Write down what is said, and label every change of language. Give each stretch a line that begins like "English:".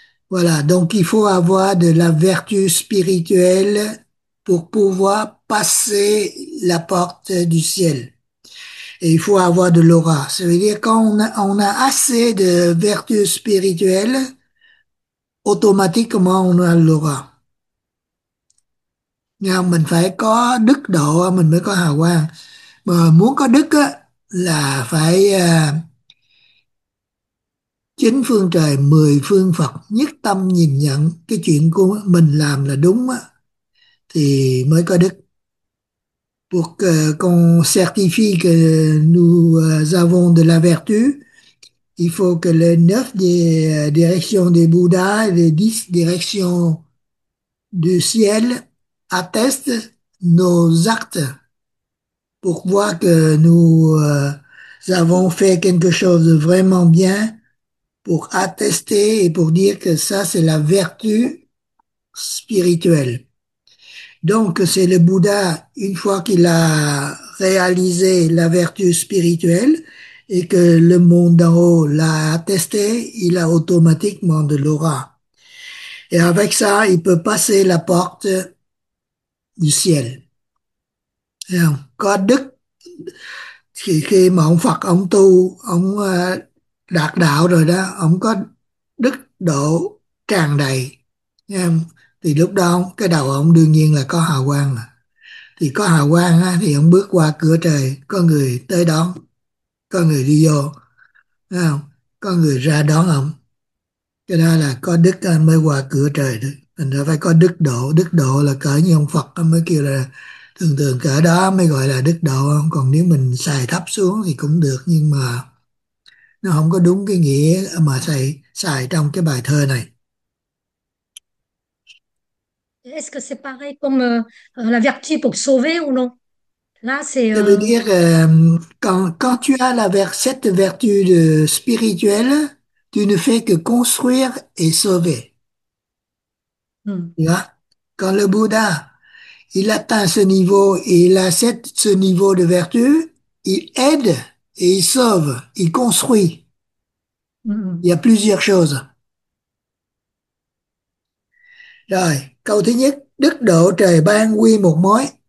French: Voilà. Donc, il faut avoir de la vertu spirituelle pour pouvoir passer la porte du ciel. Et il faut avoir de l'aura. Ça veut dire quand on a assez de vertus spirituelles, automatiquement on a l'aura.
Vietnamese: Nhưng mình phải có đức độ, mình mới có hào quang. Mà muốn có đức á, là phải chín phương trời, mười phương Phật nhất tâm nhìn nhận cái chuyện của mình làm là đúng á, thì mới có đức.
French: Pour qu'on certifie que nous avons de la vertu, il faut que les 9 des directions des Bouddhas et les 10 directions du ciel attestent nos actes pour voir que nous avons fait quelque chose de vraiment bien, pour attester et pour dire que ça, c'est la vertu spirituelle. Donc, c'est le Bouddha, une fois qu'il a réalisé la vertu spirituelle et que le monde d'en haut l'a attesté, il a automatiquement de l'aura. Et avec ça, il peut passer la porte du ciel.
Vietnamese: Et có đức, khi mà ông Phật, ông tu, ông đạt đạo rồi đó, ông có đức độ tràn đầy. Thì lúc đó cái đầu ông đương nhiên là có hào quang mà. Thì có hào quang á, thì ông bước qua cửa trời, có người tới đón, có người đi vô, thấy không? Có người ra đón ông. Cái đó là có đức mới qua cửa trời đấy. Mình đã phải có đức độ. Đức độ là cỡ như ông Phật mới kêu là thường thường cỡ đó mới gọi là đức độ. Còn nếu mình xài thấp xuống thì cũng được, nhưng mà nó không có đúng cái nghĩa mà thầy xài trong cái bài thơ này.
French: Est-ce que c'est pareil comme la vertu pour sauver ou non? Là, c'est... Ça veut dire quand tu as cette vertu spirituelle, tu ne fais que construire et sauver. Là, quand le Bouddha il atteint ce niveau et il a ce niveau de vertu, il aide et il sauve, il construit. Il y a plusieurs choses.
Vietnamese: Rồi, câu thứ nhất, đức độ trời ban quy một mối.